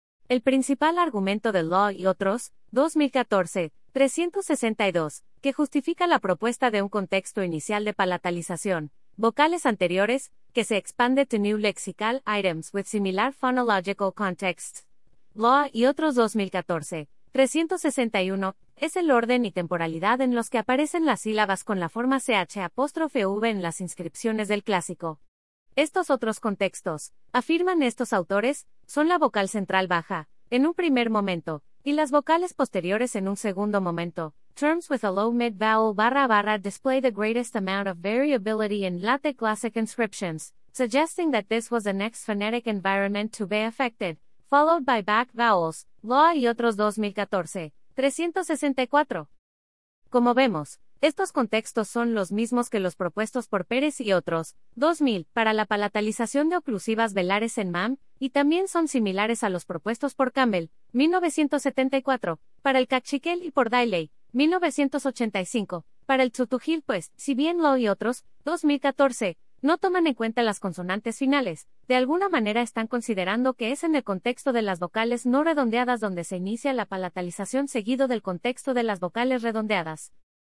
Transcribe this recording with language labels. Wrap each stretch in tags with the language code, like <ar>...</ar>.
<es>El principal argumento de Law y otros, 2014, 362, que justifica la propuesta de un contexto inicial de palatalización, vocales anteriores, que se expande</es> <en>to new lexical items with similar phonological contexts,</en> <es>Law y otros 2014, 361, es el orden y temporalidad en los que aparecen las sílabas con la forma ch'v en las inscripciones del clásico. Estos otros contextos, afirman estos autores, son la vocal central baja, en un primer momento, y las vocales posteriores en un segundo momento.</es> <en>Terms with a low mid vowel barra barra display the greatest amount of variability in late classic inscriptions, suggesting that this was the next phonetic environment to be affected, followed by back vowels, Law y otros 2014, 364.</en> <es>Como vemos, Estos contextos son los mismos que los propuestos por Pérez y otros, 2000, para la palatalización de oclusivas velares en MAM, y también son similares a los propuestos por Campbell, 1974, para el Cachiquel y por Daley, 1985, para el Tzutujil, pues, si bien Law y otros, 2014, no toman en cuenta las consonantes finales, de alguna manera están considerando que es en el contexto de las vocales no redondeadas donde se inicia la palatalización seguido del contexto de las vocales redondeadas.</es>